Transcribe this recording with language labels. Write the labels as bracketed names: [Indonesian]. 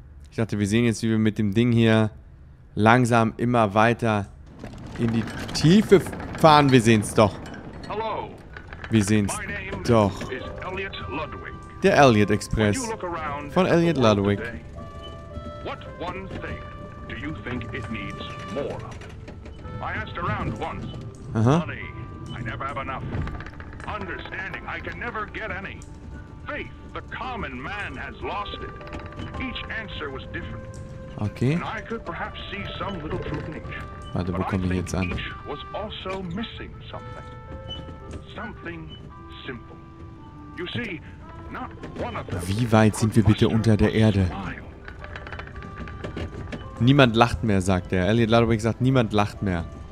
[German] Ich dachte, wir sehen jetzt, wie wir mit dem Ding hier langsam immer weiter in die Tiefe fahren. Wir sehen es doch. Hallo. Wir sehen es doch. Elliot der Elliot Express von Elliot Ludwig. [English] What one thing do you think it needs more of? I asked around once. Aha. Money, I never have enough. Understanding, I can never get any. Faith, the common man has lost it. Each answer was different. Okay. And I could perhaps see some little truth in each. [German] Warte, wo kommen wir jetzt an? [English] Each was also missing something. Something simple. You see, not one of them. [German] Wie weit sind wir bitte unter der Erde? Niemand lacht mehr, sagt er. Elliot Ludwig sagt, niemand lacht mehr.